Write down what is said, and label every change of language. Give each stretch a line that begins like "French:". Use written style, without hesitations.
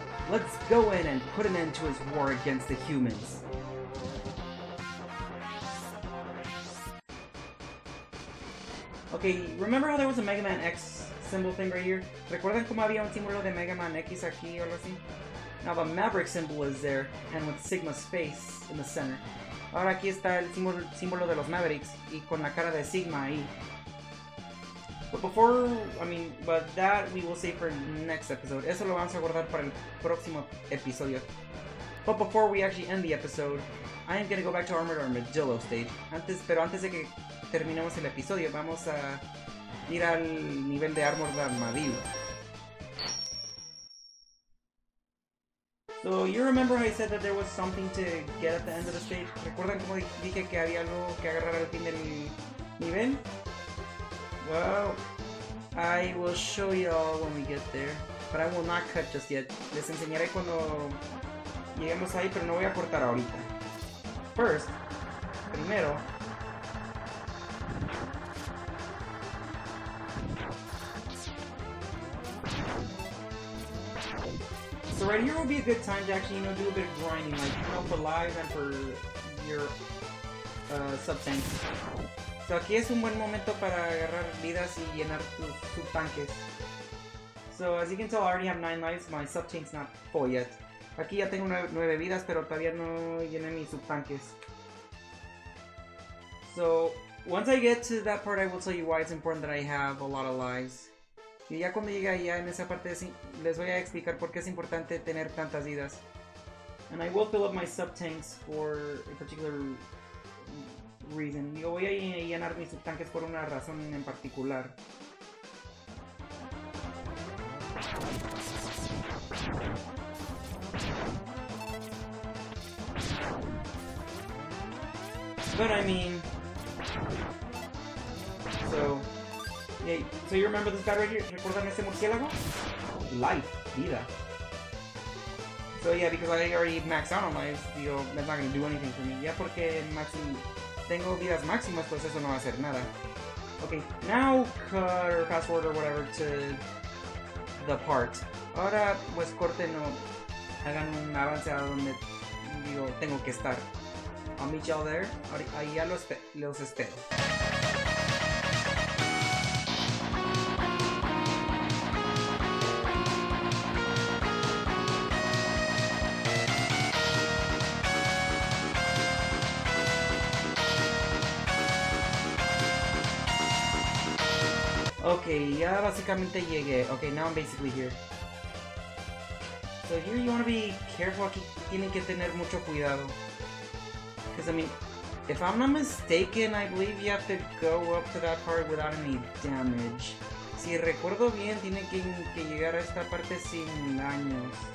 English: Let's go in and put an end to his war against the humans. Okay, remember how there was a Mega Man X symbol thing right here?
Spanish: ¿Recuerdan cómo había un símbolo de Mega Man X aquí o algo así?
English: Now the Maverick symbol is there, and with Sigma's face in the center.
Spanish: Ahora aquí está el símbolo de los Mavericks, y con la cara de Sigma ahí.
English: But before, I mean, but that we will save for next episode.
Spanish: Eso lo vamos a guardar para el próximo episodio.
English: But before we actually end the episode, I am gonna go back to Armored Armadillo stage.
Spanish: Antes de que terminemos el episodio, vamos a ir al nivel de Armored Armadillo.
English: So, you remember how I said that there was something to get at the end of the stage?
Spanish: ¿Recuerdan cómo dije que había algo que agarrar al fin de mi nivel?
English: Well, I will show you all when we get there. But I will not cut just yet.
Spanish: Les enseñaré cuando lleguemos ahí, pero no voy a cortar ahorita.
English: First, primero. So right here will be a good time to actually, you know, do a bit of grinding, like, you know, for lives and for your sub-tanks.
Spanish: So aquí es un buen momento para agarrar vidas y llenar tus tanques.
English: So as you can tell, I already have 9 lives, my sub-tank's not full yet.
Spanish: Aquí ya tengo 9 vidas, pero todavía no llené mis sub-tanques.
English: So once I get to that part, I will tell you why it's important that I have a lot of lives.
Spanish: Y ya cuando llegue allá en esa parte, les voy a explicar por qué es importante tener tantas vidas.
English: And I will fill up my sub-tanks for a particular reason.
Spanish: Yo voy a llenar mis sub-tanques por una razón en particular.
English: But I mean... So... Hey, so you remember this guy right here?
Spanish: ¿Recuerdan este murciélago?
English: Life, vida. So yeah, because I already maxed out on life, yo, that's not gonna do anything for me.
Spanish: Ya porque maxi, tengo vidas máximas, pues eso no va a hacer nada.
English: Okay, now cut or fast forward or whatever to the part.
Spanish: Ahora, pues corten o hagan un avance a donde, digo, tengo que estar.
English: I'll meet y'all there.
Spanish: Ahí ya los espero.
English: Okay,
Spanish: ya básicamente llegué.
English: Okay, now I'm basically here. So here you want to be careful.
Spanish: Aquí tienen que tener mucho cuidado.
English: Because, I mean, if I'm not mistaken, I believe you have to go up to that part without any damage.
Spanish: Si recuerdo bien, tienen que llegar a esta parte sin daños.